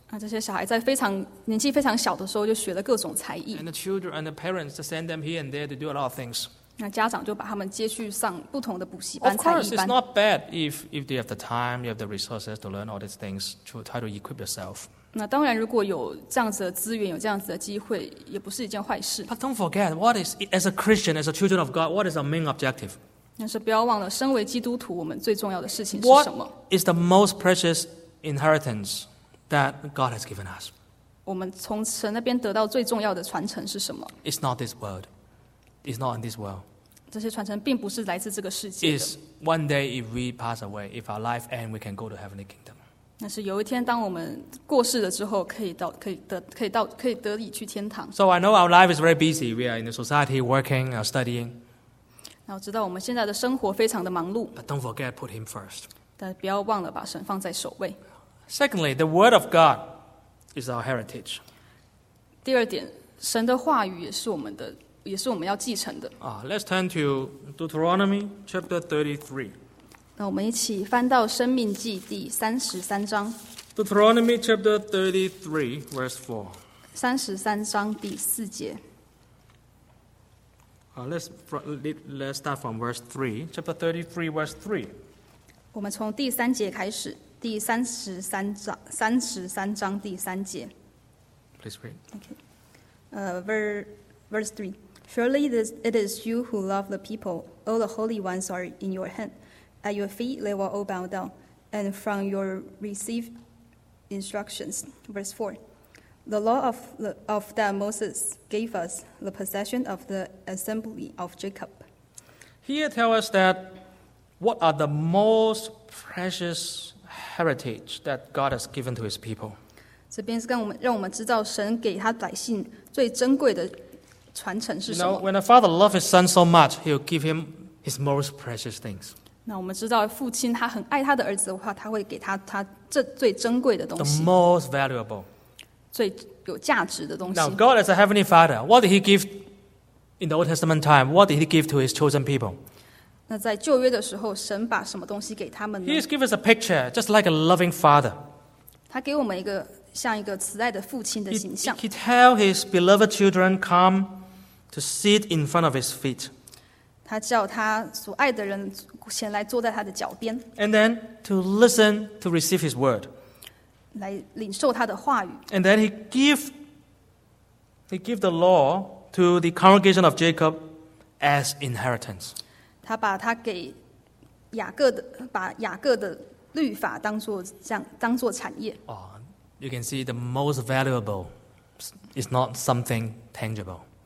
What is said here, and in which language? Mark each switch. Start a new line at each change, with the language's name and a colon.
Chinese: 那这些小孩在年纪非常小的时候就学了各种才艺。
English: And the children and the parents send them here and there to do a lot of things.
Chinese: 那家长就把他们接去上不同的补习班、才艺班。
English: Of course, it's not bad if you have the time, you have the resources to learn all these things to try to equip yourself.
Chinese: 那当然，如果有这样子的资源，有这样子的机会，也不是一件坏事。
English: But don't forget, what is as a Christian, as a children of God, what is our main objective?
Chinese: 但是不要忘了，身为基督徒，我们最重要的事情是什么
English: ？What is the most precious inheritance that God has given us?
Chinese: 我们从神那边得到最重要的传承是什么
English: ？It's not this world. It's not in this world.
Chinese: 这些传承并不是来自这个世界的。
English: It's one day if we pass away, if our life ends, we can go to heavenly kingdom.
Chinese: 那是有一天，当我们过世了之后，可以得以去天堂。
English: So I know our life is very busy. We are in the society, working, studying.
Chinese: 那我知道我们现在的生活非常的忙碌。
English: But don't forget, put Him first.
Chinese: 但不要忘了把神放在首位。
English: Secondly, the Word of God is our heritage.
Chinese: 第二点，神的话语也是我们的，也是我们要继承的。
English: Let's turn to Deuteronomy chapter 33.
Chinese: 那我们一起翻到《申命记》第三十三章。
English: Deuteronomy chapter 33, verse 4.
Chinese: 三十三章第四节。
English: Let's start from verse 3, chapter 33, verse 3.
Chinese: 我们从第三节开始，第三十三章，三十三章第三节。
English: Please read. Verse 3. Surely this, it is you who love the people. All the holy ones are in your hand. At your feet they will all bow down. And from your received instructions. Verse 4. The law of that Moses gave us, the possession of the assembly of Jacob. Here tell us that what are the most precious heritage that God has given to his people.
Chinese: 这边是让我们知道神给他百姓最珍贵的传承是什么。
English: You know, when a father loves his son so much, he'll give him his most precious things.
Chinese: 那我们知道父亲他很爱他的儿子的话，他会给他这最珍贵的东西。
English: The most valuable,
Chinese: 最有价值的东西。
English: Now God is a heavenly father. What did he give in the Old Testament time? What did he give to his chosen people?
Chinese: 那在旧约的时候，神把什么东西给他们呢？
English: He has given us a picture, just like a loving father.
Chinese: 他给我们一个像一个慈爱的父亲的形象。
English: He tell his beloved children come to sit in front of his feet.
Chinese: 他叫他所爱的人前来坐在他的脚边。
English: And then to listen to receive his word.
Chinese: 来领受他的话语。
English: And then he give the law to the congregation of Jacob as inheritance.
Chinese: 他把他给雅各的把雅各的律法当做产业。
English: You can see the most valuable is not something tangible.